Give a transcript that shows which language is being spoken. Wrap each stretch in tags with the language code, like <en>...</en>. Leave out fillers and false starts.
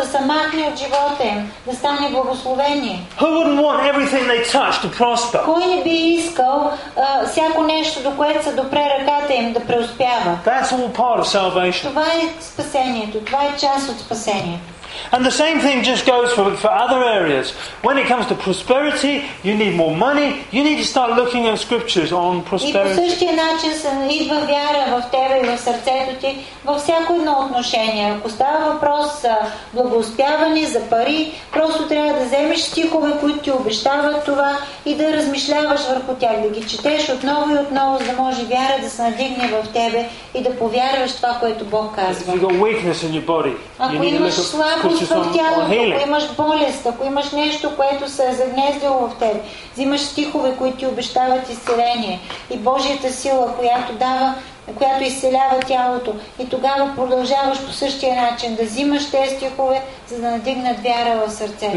<bg>Да се махне от живота им, да стане благословение.</bg> <en>Who wouldn't want everything they touch to prosper?</en> <bg>Кой не би искал всяко нещо, до което се допре ръката им, да преуспява?</bg> <en>That's all part of salvation.</en> <bg>Това е спасението, това е част от спасението.</bg> <en>And the same thing just goes for other areas. When it comes to prosperity, you need more money. You need to start looking at scriptures on prosperity.</en> <bg>И по същия начин се идва вяра в тебе и в сърцето ти, във всяко едно отношение. Ако става въпрос за благоуспяване, за пари, просто трябва да вземеш стихове, които ти обещават това, и да размишляваш върху тях, да ги четеш отново и отново, за да може вяра да се надигне в тебе и да повярваш това, което Бог казва.</bg> <en>If you got weakness in your body, you need a little...</en> <bg>Ако имаш болест, ако имаш нещо, което се е загнездило в теб, взимаш стихове, които ти обещават изцеление и Божията сила, която дава, която изцелява тялото, и тогава продължаваш по същия начин да взимаш тези стихове, за да надигнат вяра в сърцето.</bg>